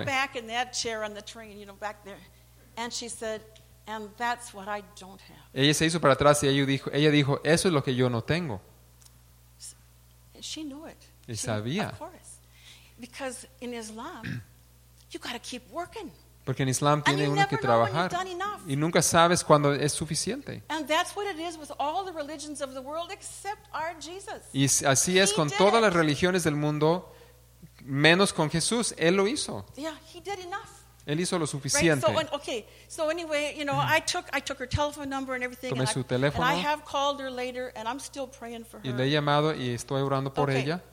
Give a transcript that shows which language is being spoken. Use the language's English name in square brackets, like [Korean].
[English] She sat back in that chair on the train, you know, back there, and she said, and that's what I don't have. [Spanish] Ella se hizo para atrás y ella dijo, eso es lo que yo no tengo. [English] She knew it. [Spanish] Y sabía. [English] Of course. Because in Islam, you got to keep working. [Spanish] Porque en Islam tiene [English] and [Spanish] uno que trabajar. Y nunca sabes cuándo es suficiente. [English] And that's what it is with all the religions of the world except our Jesus. [Spanish] Y así es [English] he [Spanish] con [English] did. [Spanish] Todas las religiones del mundo menos con Jesús, él lo hizo. [English] Yeah, he did enough. [Spanish] Él hizo lo suficiente. [English] Right? So anyway, you know, I took her telephone number and everything. [Spanish] Tomé su teléfono. [English] And I have called her later, and I'm still praying for her. [Spanish] Y le he llamado y estoy orando por ella.